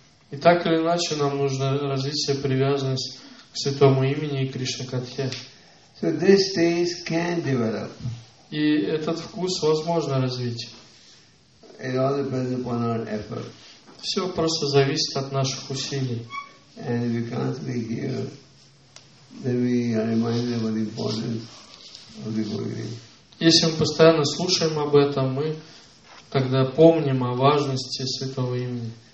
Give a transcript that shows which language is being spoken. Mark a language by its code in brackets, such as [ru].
[ru] И так или иначе, нам нужно развить себе привязанность к святому имени и Кришна Катхе. [en] So this taste can develop. [ru] И этот вкус возможно развить. [en] It all depends upon our effort. [ru] Все просто зависит от наших усилий. [en] And if we constantly hear, then we are reminded of the importance of the Bhagavad Gita. [ru] Если мы постоянно слушаем об этом, мы тогда помним о важности святого имени.